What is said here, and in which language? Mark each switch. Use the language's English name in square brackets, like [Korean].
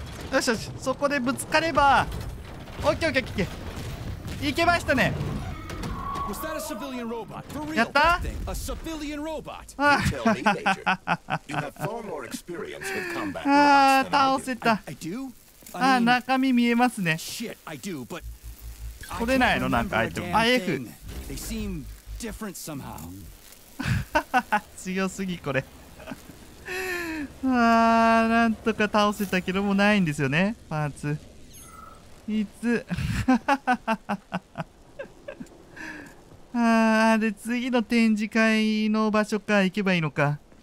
[Japanese] よしよし、そこでぶつかれば OKOKOK、 いけましたね。 [English] Was that a civilian robot? For real? A civilian robot? You tell me, Major. You have far more experience with combat robots than I do. I do. Ah, [Japanese] 中身見えますね。 [English] Shit, I do, but I can't remember again. They seem different somehow. [Japanese] 強すぎこれ。なんとか倒せたけどもないんですよね。パーツ。いつ。あーで次の展示会の場所か行けばいいのか。